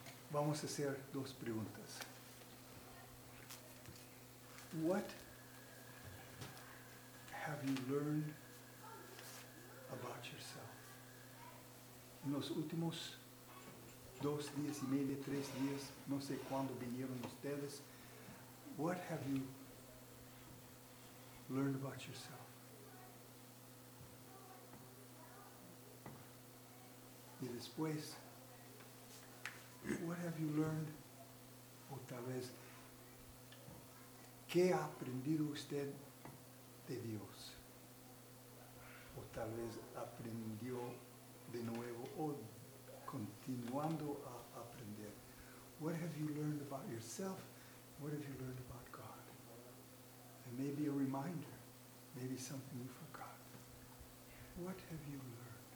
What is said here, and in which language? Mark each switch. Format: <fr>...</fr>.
<es>Vamos a hacer dos preguntas.</es> <en>What have you learned about yourself?</en> <es>En los últimos 2 días y medio, 3 días, no sé cuándo vinieron ustedes.</es> <en>What have you learned about yourself?</en> <es>Y después,</es> <en>what have you learned?</en> <es>O tal vez, ¿qué ha aprendido usted de Dios? O tal vez aprendió de nuevo, o continuando a aprender.</es> <en>What have you learned about yourself? What have you learned about God? And maybe a reminder, maybe something you forgot. What have you learned?</en>